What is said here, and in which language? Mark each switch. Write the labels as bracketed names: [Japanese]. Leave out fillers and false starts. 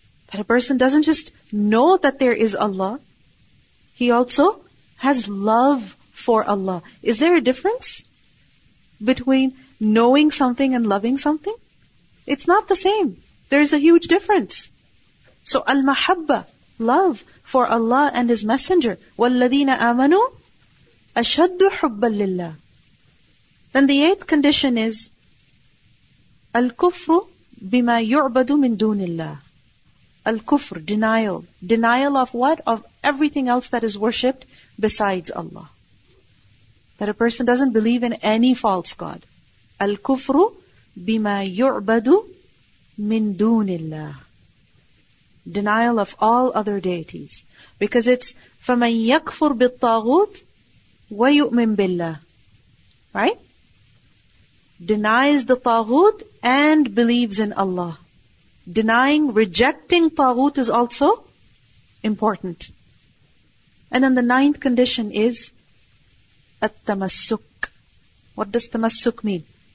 [English] That a person doesn't just know that there is Allah, he also has love for Allah. Is there a difference between knowing something and loving something? It's not the same. There is a huge difference. So al-mahabba, love for Allah and His Messenger. [Arabic] وَالَّذِينَ آمَنُوا أَشَدُّ حُبَّا لِلَّهِ. [English] Then the eighth condition is [Arabic] الْكُفْرُ بِمَا يُعْبَدُ مِن دُونِ اللَّهِ. الْكُفْرُ, [English] denial. Denial of what? Of everything else that is worshipped besides Allah. That a person doesn't believe in any false god. [Arabic] الْكُفْرُ بِمَا يُعْبَدُ مِن دُونِ اللَّهِ. [English] Denial of all other deities. Because it's [Arabic] فَمَنْ يَكْفُرْ بِالطَّاغُوتِ وَيُؤْمِنْ بِاللَّهِ. [English] Right? Denies the طاغوت and believes in Allah. Denying, rejecting طاغوت is also important. And then the ninth condition is التمسك. What does تمسك mean?